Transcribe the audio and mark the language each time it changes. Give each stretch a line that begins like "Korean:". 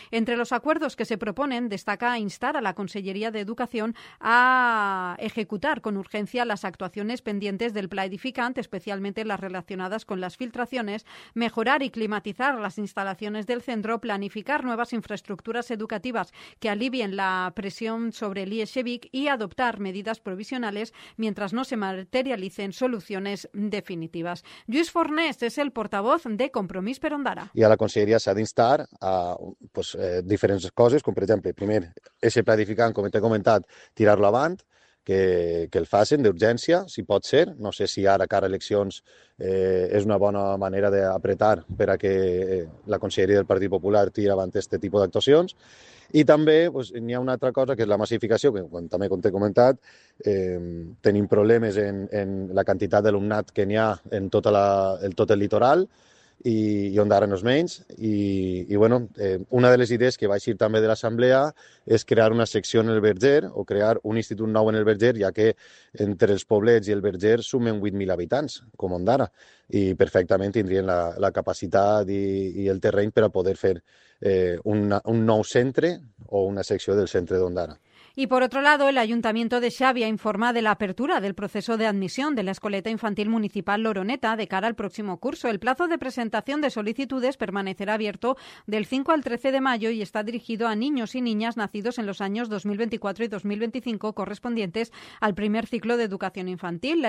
Spanish: Entre los acuerdos que se proponen, destaca instar a la Consellería de Educación a ejecutar con urgencia las actuaciones pendientes del Pla Edificant, especialmente las relacionadas con las filtraciones, mejorar y climatizar las instalaciones del centro, planificar nuevas infraestructuras educativas que alivien la presión sobre el IES Xevic y adoptar medidas provisionales mientras no se materialicen soluciones definitivas. Lluís Fornés es el portavoz de Compromís per Ondara.
Catalan: I a la conselleria s'ha d'instar a diferents coses, com per exemple, primer, ese pla edificant, com t'he comentat, tirar-lo avant, que el facin d'urgència, si pot ser. No sé si ara, cara a eleccions, és una bona manera d'apretar per a que la conselleria del Partit Popular tiri avant aquest tipus d'actuacions. I també n'hi ha una altra cosa, que és la massificació, que també, com t'he comentat, tenim problemes en la quantitat d'alumnat que n'hi ha en tot el litoral i on d'ara no és menys. I una de les idees que va eixir també de l'assemblea és crear una secció en el Verger o crear un institut nou en el Verger, ja que entre els poblets i el Verger sumen 8.000 habitants, com on d'ara, i perfectament tindrien la capacitat i el terreny per a poder fer un nou centre o una secció del centre d'Ondara.
Spanish: Y por otro lado, el Ayuntamiento de Xàbia informa de la apertura del proceso de admisión de la Escoleta Infantil Municipal Loroneta de cara al próximo curso. El plazo de presentación de solicitudes permanecerá abierto del 5 al 13 de mayo y está dirigido a niños y niñas nacidos en los años 2024 y 2025 correspondientes al primer ciclo de educación infantil.